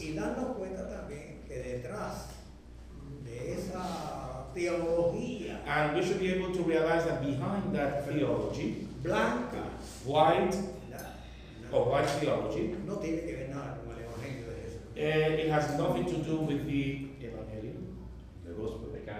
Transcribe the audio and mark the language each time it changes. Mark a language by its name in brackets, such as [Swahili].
[Spanish] Y darnos cuenta también que detrás de esa teología. [English] And we should be able to realize that behind that theology, [Spanish] blanca, [English] white, or white theology, [Spanish] no tiene que ver nada con el evangelio de Jesús. [English] It has nothing to do with the evangelio, the gospel, the gospel.